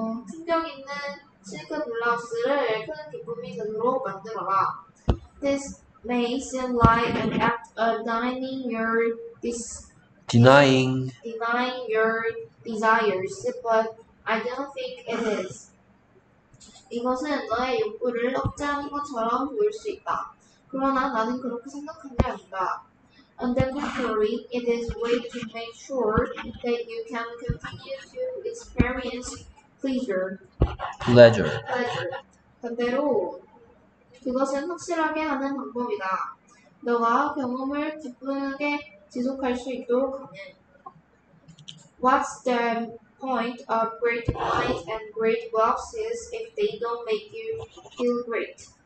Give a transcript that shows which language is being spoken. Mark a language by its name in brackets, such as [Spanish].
[Korean] 충격 있는 실크 블라우스를 큰 기쁨이 되도록 만들어라. [English] This may seem like an act of denying your desires, but I don't think it is. [Korean] 이것은 너의 욕구를 억제하는 것처럼 보일 수 있다. 그러나 나는 그렇게 생각하지 않는다. [English] On the contrary, it is a way to make sure that you can continue to experience pleasure. Pleasure. [Korean] 반대로 그것은 확실하게 하는 방법이다. 너가 경험을 기쁘게 지속할 수 있도록 하는. [English] What's the point of great wines and great boxes if they don't make you feel great?